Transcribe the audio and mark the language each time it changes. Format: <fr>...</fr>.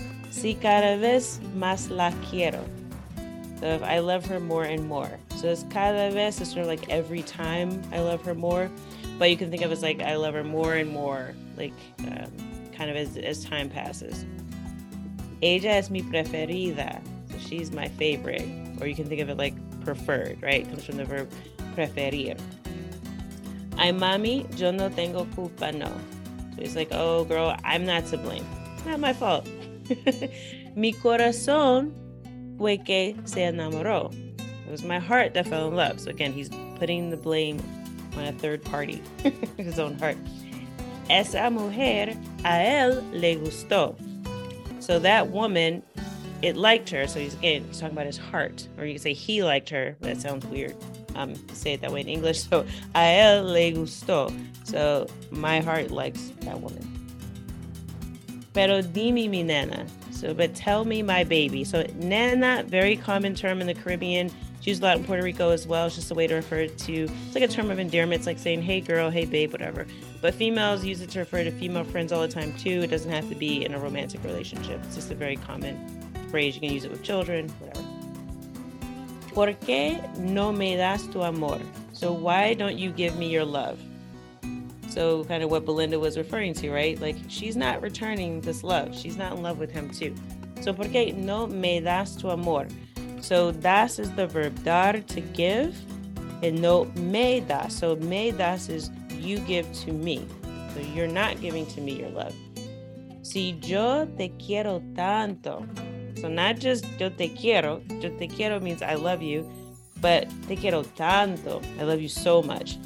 <es>Si cada vez más la quiero.</es> <en>So if I love her more and more. So it's</en> <es>cada vez,</es> <en>it's sort of like every time I love her more. But you can think of it as like I love her more and more, like kind of as time passes.</en> <es>Ella es mi preferida.</es> <en>So she's my favorite. Or you can think of it like preferred, right? It comes from the verb preferir.</en> <es>Ay, mami, yo no tengo culpa, no.</es> <en>So he's like, oh, girl, I'm not to blame. It's not my fault.</en> <es>Mi corazón fue que se enamoró.</es> <en>It was my heart that fell in love. So again, he's putting the blame on a third party, his own heart.</en> <es>Esa mujer a él le gustó.</es> <en>So that woman, it liked her. So he's, again, he's talking about his heart. Or you can say he liked her. But that sounds weird. Say it that way in English. So</en> <es>a él le gustó.</es> <en>So my heart likes that woman.</en> <es>Pero dime mi nena.</es> <en>So, but tell me my baby. So nena, very common term in the Caribbean. It's used a lot in Puerto Rico as well. It's just a way to refer to, it's like a term of endearment. It's like saying, hey girl, hey babe, whatever. But females use it to refer to female friends all the time too. It doesn't have to be in a romantic relationship. It's just a very common phrase. You can use it with children, whatever.</en> <es>¿Por qué no me das tu amor?</es> <en>So why don't you give me your love? So kind of what Belinda was referring to, right? Like, she's not returning this love. She's not in love with him too. So</en> <es>¿por qué no me das tu amor?</es> <en>So das is the verb dar, to give. And</en> <es>no me das.</es> <en>So</en> <es>me das</es> <en>is you give to me. So you're not giving to me your love.</en> <es>Si yo te quiero tanto.</es> <en>So not just</en> <es>yo te quiero. Yo te quiero</es> <en>means I love you. But</en> <es>te quiero tanto.</es> <en>I love you so much.</en>